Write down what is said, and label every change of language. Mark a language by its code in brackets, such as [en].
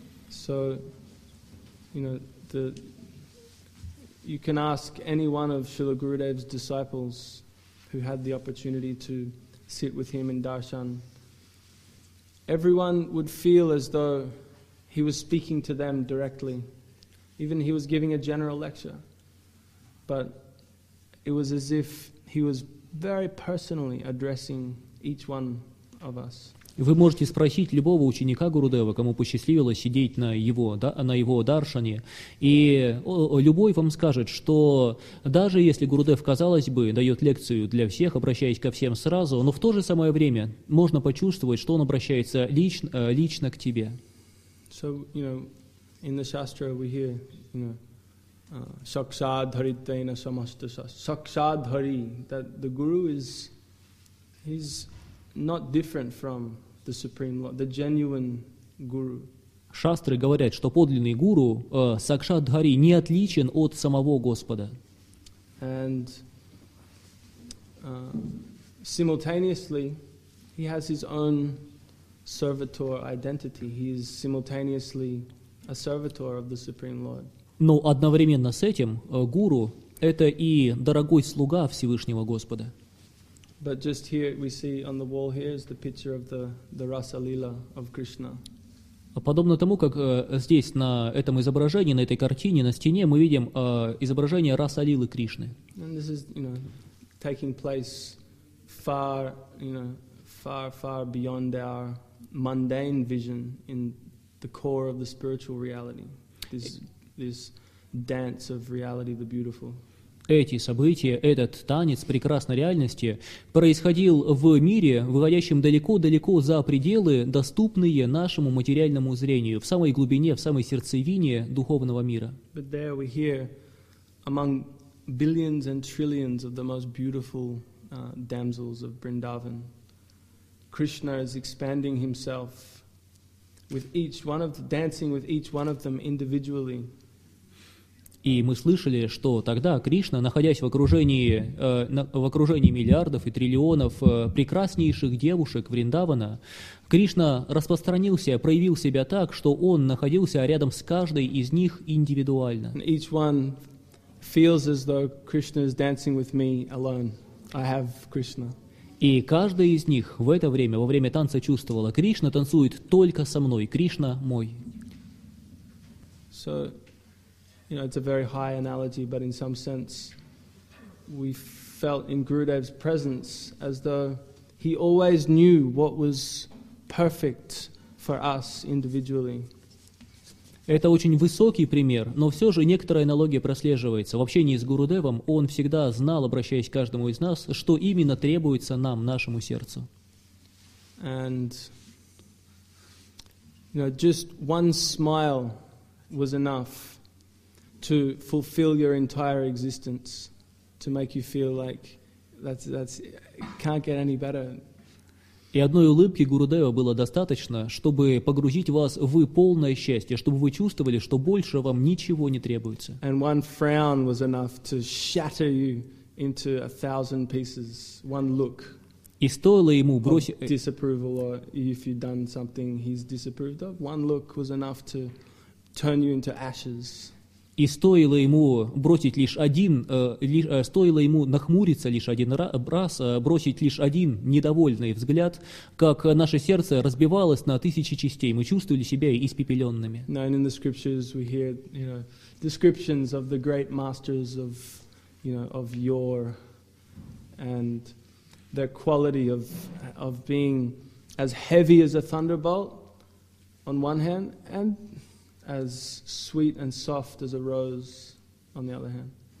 [en] So, you know, you can ask any one of Srila Gurudev's disciples who had the opportunity to sit with him in Darshan. Everyone would feel as though he was speaking to them directly. Even he was giving a general lecture. But it was as if he was very personally addressing each one of us. [ru] Вы можете спросить любого ученика Гурудева, кому посчастливилось сидеть на его даршане, и любой вам скажет, что даже если Гурудев, казалось бы, дает лекцию для всех, обращаясь ко всем сразу, но в то же самое время можно почувствовать, что он обращается лично к тебе. [en] So, you know, in the Shastra we hear, you know, Sakshadharitena samastasa. Sakshadhari, that the Guru is, he's not different from the Supreme Lord, the genuine Guru. [ru] Шастры говорят, что подлинный Гуру, Сакшадхари, не отличен от самого Господа. [en] And simultaneously, he has his own servitor identity. He is simultaneously a servitor of the Supreme Lord. [ru] Но одновременно с этим Гуру – это и дорогой слуга Всевышнего Господа. [en] But just here we see on the wall here is the picture of the Rasa Lila of Krishna. [ru] Подобно тому, как здесь на этом изображении, на этой картине, на стене мы видим изображение Раса Лилы Кришны. [en] And this is, you know, taking place far, you know, far, far beyond our mundane vision in the core of the spiritual reality. This dance of reality, the beautiful. [ru] Эти события, этот танец прекрасной реальности происходил в мире, выходящем далеко-далеко за пределы, доступные нашему материальному зрению, в самой глубине, в самой сердцевине духовного мира. [en] But there we hear among billions and trillions of the most beautiful damsels of Vrindavan, Krishna is expanding himself with each one of them, dancing with each one of them individually. [ru] И мы слышали, что тогда Кришна, находясь в окружении миллиардов и триллионов прекраснейших девушек Вриндавана, Кришна распространился, проявил себя так, что он находился рядом с каждой из них индивидуально. [en] Each one feels as though Krishna is dancing with me alone. I have Krishna. [ru] И каждая из них в это время, во время танца, чувствовала: Кришна танцует только со мной, Кришна мой. [en] So, you know, it's a very high analogy, but in some sense, we felt in Gurudev's presence as though he always knew what was perfect for us individually. [ru] Это очень высокий пример, но все же некоторая аналогия прослеживается. В общении с Гурудевом он всегда знал, обращаясь к каждому из нас, что именно требуется нам, нашему сердцу. [en] And, you know, just one smile was enough to fulfill your entire existence, to make you feel like that's can't get any better. [ru] И одной улыбки Гурудева было достаточно, чтобы погрузить вас в полное счастье, чтобы вы чувствовали, что больше вам ничего не требуется. [en] And one frown was enough to shatter you into a thousand pieces. One look. [ru] И стоило ему бросить [en] disapproval, or if you've done something he's disapproved of, one look was enough to turn you into ashes. [ru] И стоило ему бросить лишь один, стоило ему нахмуриться лишь один раз, бросить лишь один недовольный взгляд, как наше сердце разбивалось на тысячи частей, мы чувствовали себя испепеленными. [en] Now, and in the scriptures we hear, you know, descriptions of the great masters of, you know, of yore, and their quality of being as heavy as a thunderbolt on one hand, and as sweet and soft as a rose on the other hand.